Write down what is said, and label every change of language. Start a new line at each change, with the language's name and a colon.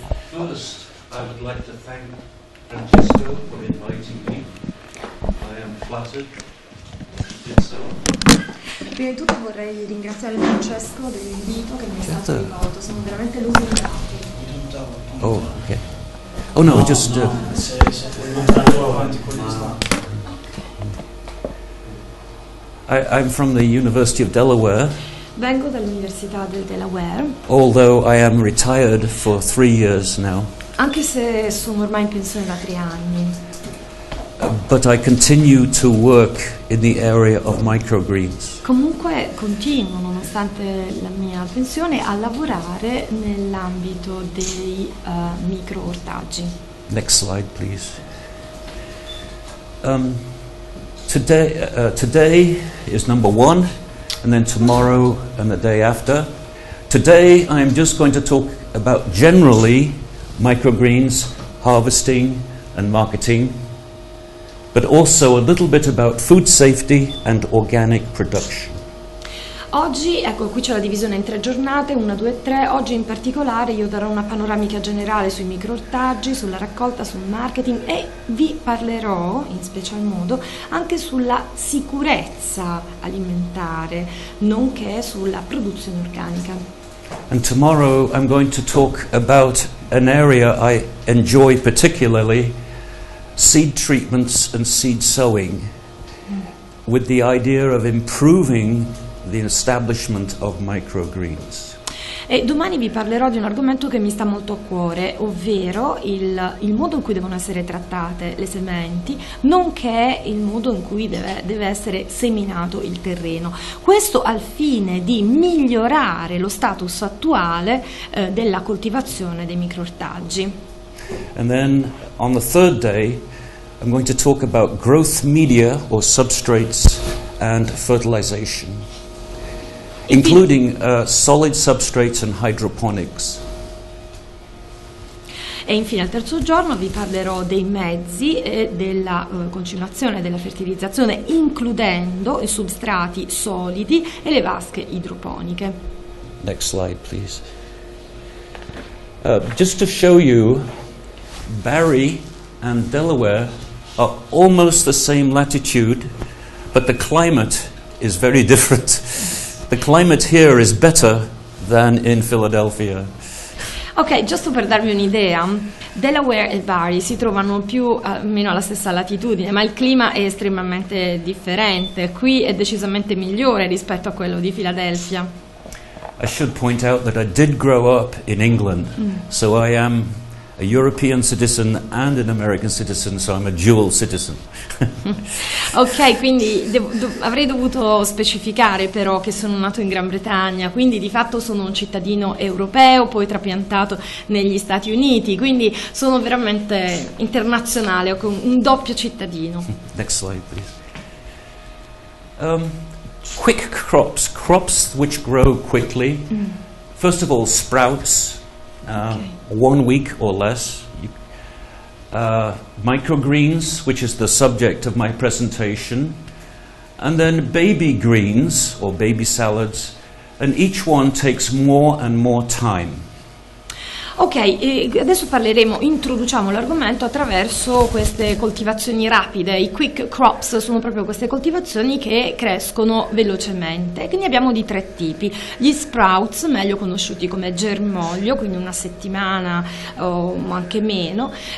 English: First, I would like to thank Francesco for inviting me. I am flattered he did so.
Italian: Prima di tutto vorrei ringraziare Francesco dell'invito che mi è stato rivolto. Sono veramente lusingato.
English: Oh no, just
Italian: No, no, se vuoi andare avanti con l'istante.
English: I'm from the University of Delaware.
Italian: Vengo dall'Università del Delaware.
English: Although I am retired for 3 years now,
Italian: Anche se sono ormai in pensione da 3 anni.
English: but I continue to work in the area of microgreens.
Italian: Comunque continuo, nonostante la mia pensione, a lavorare nell'ambito dei microortaggi.
English: Next slide, please. Today is number one. And then tomorrow and the day after. Today, I am just going to talk about generally microgreens, harvesting, and marketing, but also a little bit about food safety and organic production.
Italian: Oggi, ecco, qui c'è la divisione in 3 giornate, 1, 2 e 3. Oggi in particolare io darò una panoramica generale sui microortaggi, sulla raccolta, sul marketing, e vi parlerò in special modo anche sulla sicurezza alimentare, nonché sulla produzione organica.
English: And tomorrow I'm going to talk about an area I enjoy particularly, seed treatments and seed sowing, with the idea of improving the establishment of microgreens.
Italian: E domani vi parlerò di un argomento che mi sta molto a cuore, ovvero il modo in cui devono essere trattate le sementi, nonché il modo in cui deve essere seminato il terreno. Questo al fine di migliorare lo status attuale della coltivazione dei microortaggi.
English: And then on the third day I'm going to talk about growth media or substrates and fertilization, including solid substrates and hydroponics.
Italian: E infine al terzo giorno vi parlerò dei mezzi e della concimazione e della fertilizzazione, includendo i substrati solidi e le vasche idroponiche.
English: Next slide, please. Just to show you, Barry and Delaware are almost the same latitude, but the climate is very different. The climate here is better than in Philadelphia.
Italian: Ok, giusto per darvi un'idea, Delaware e Barry si trovano più o meno alla stessa latitudine, ma il clima è estremamente differente. Qui è decisamente migliore rispetto a quello di Philadelphia.
English: I should point out that I did grow up in England, so I am a European citizen and an American citizen, so I'm a dual citizen.
Italian: Ok, quindi avrei dovuto specificare però che sono nato in Gran Bretagna, quindi di fatto sono un cittadino europeo, poi trapiantato negli Stati Uniti, quindi sono veramente internazionale, ho un doppio cittadino.
English: Next slide, please. Quick crops, crops which grow quickly. First of all, sprouts. Okay. 1 week or less. Microgreens, which is the subject of my presentation, and then baby greens or baby salads, and each one takes more and more time.
Italian: Ok, adesso parleremo, introduciamo l'argomento attraverso queste coltivazioni rapide. I quick crops sono proprio queste coltivazioni che crescono velocemente. Quindi abbiamo di 3 tipi. Gli sprouts, meglio conosciuti come germoglio, quindi una settimana o anche meno.